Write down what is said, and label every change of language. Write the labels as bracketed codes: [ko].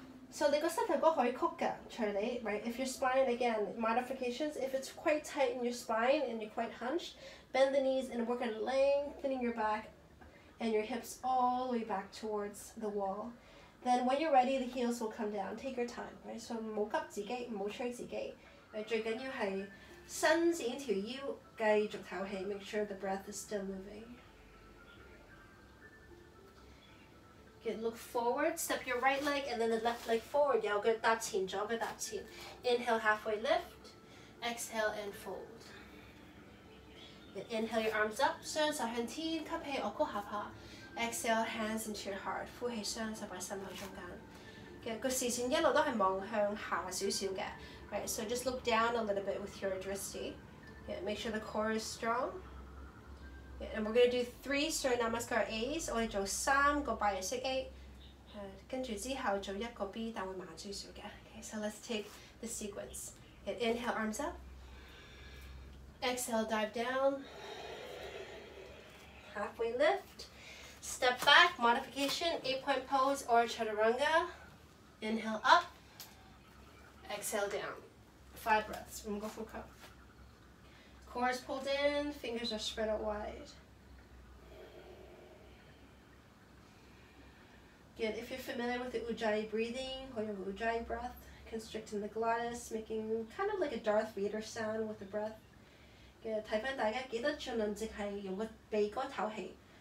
[en] So, right? If your spine, again, modifications, if it's quite tight in your spine and you're quite hunched, bend the knees and work on lengthening your back and your hips all the way back towards the wall. Then when you're ready, the heels will come down. Take your time, right? [yue] So 唔好急自己，唔好催自己。最緊要係伸展條腰，繼續透氣。 [en] Make sure the breath is still moving. Good. Look forward. Step your right leg and then the left leg forward. [yue] 右腳搭前，左腳搭前。 [en] Inhale, halfway lift. Exhale and fold. Inhale your arms up. [yue] 雙手向天，吸氣，我箍下巴。 Exhale, hands into your heart. 呼氣，雙手擺心口中間。嘅個視線一路都係望向下少少嘅。 [en] Right, so just look down a little bit with your drishti. Yeah, make sure the core is strong. Yeah, and we're going to do three Surya Namaskar A's. [yue] 我哋做三個拜日式 A， 跟住之後做一個 B， 但會慢少少嘅。 [en] Okay, so let's take the sequence. Yeah, inhale, arms up. Exhale, dive down. Halfway lift. Step back, modification, 8-point pose or chaturanga. Inhale up. Exhale down. Five breaths. We'll go full cup. Core is pulled in. Fingers are spread out wide. Good. If you're familiar with the ujjayi breathing, or your ujjayi breath, constricting the glottis, making kind of like a Darth Vader sound with the breath. Good. [yue] 提醒大家記得儘量即係用個鼻哥透氣。